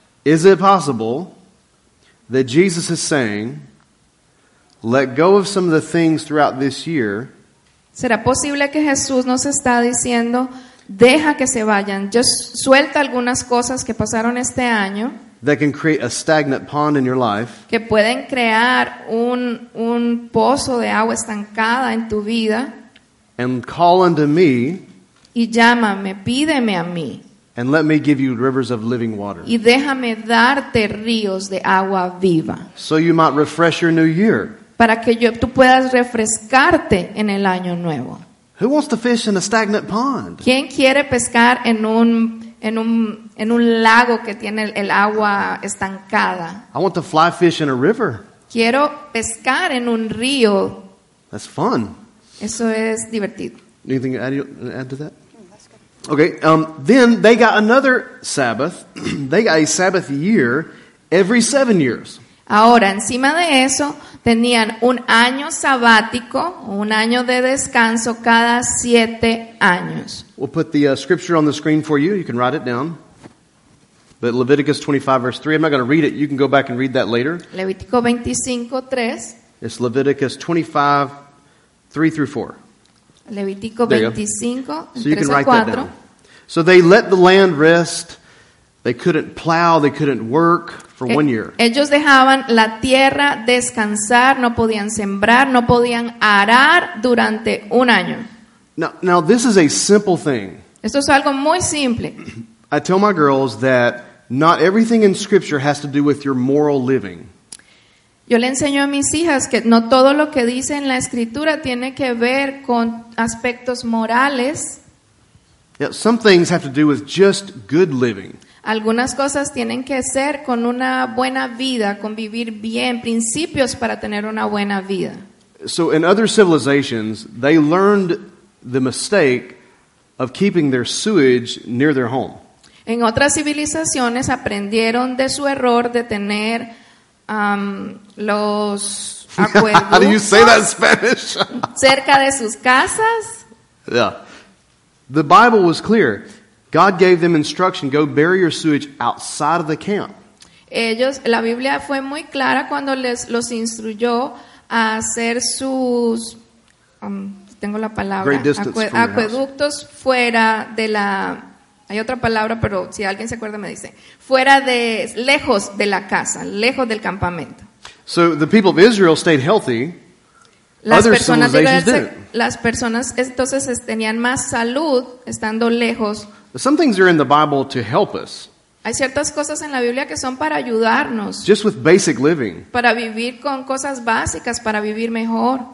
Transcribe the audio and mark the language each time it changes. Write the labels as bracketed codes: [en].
[en] Is it possible that Jesus is saying, let go of some of the things throughout this year? [es] ¿Será posible que Jesús nos está diciendo, deja que se vayan, yo suelta algunas cosas que pasaron este año, [en] that can create a stagnant pond in your life, [es] que pueden crear un pozo de agua estancada en tu vida, [en] and call unto me, [es] y llámame, pídeme a mí, [en] and let me give you rivers of living water, [es] y déjame darte ríos de agua viva, [en] so you might refresh your new year, [es] para que tú puedas refrescarte en el año nuevo. [en] Who wants to fish in a stagnant pond? [es] ¿Quién quiere pescar en un lago que tiene el agua estancada? [en] I want to fly fish in a river. [es] Quiero pescar en un río. [en] That's fun. [es] Eso es divertido. [en] Anything to add to that? Okay. Then they got another Sabbath. They got a Sabbath year every 7 years. [es] Ahora, encima de eso, tenían un año sabático, un año de descanso cada siete años. [en] We'll put the scripture on the screen for you. You can write it down. But Leviticus 25, verse 3. I'm not going to read it. You can go back and read that later. [es] Levítico 25, 3. [en] It's Leviticus 25, 3 through 4. Levítico 25, 3 through 4. So you can write that down. So they let the land rest. They couldn't plow. They couldn't work. For 1 year. [es] Ellos dejaban la tierra descansar, no podían sembrar, no podían arar durante un año. [en] Now this is a simple thing. [es] Esto es algo muy simple. [en] I tell my girls that not everything in scripture has to do with your moral living. [es] Yo le enseño a mis hijas que no todo lo que dice en la escritura tiene que ver con aspectos morales. [en] Yeah, some things have to do with just good living. [es] Algunas cosas tienen que ser con una buena vida, con vivir bien, principios para tener una buena vida. [en] So in other civilizations, they learned the mistake of keeping their sewage near their home. [es] En otras civilizaciones aprendieron de su error de tener los acueductos. [en] How do you say that in Spanish? [es] Cerca de sus casas. [en] Yeah. The Bible was clear. God gave them instruction, go bury your sewage outside of the camp. [es] Ellos, la Biblia fue muy clara cuando los instruyó a hacer sus acueductos fuera de la, hay otra palabra, pero si alguien se acuerda me dice, fuera de, lejos de la casa, lejos del campamento. [en] So the people of Israel stayed healthy. [es] Las personas entonces tenían más salud estando lejos. [en] Some things are in the Bible to help us. [es] Hay ciertas cosas en la Biblia que son para ayudarnos. [en] Just with basic living. [es] Para vivir con cosas básicas, para vivir mejor.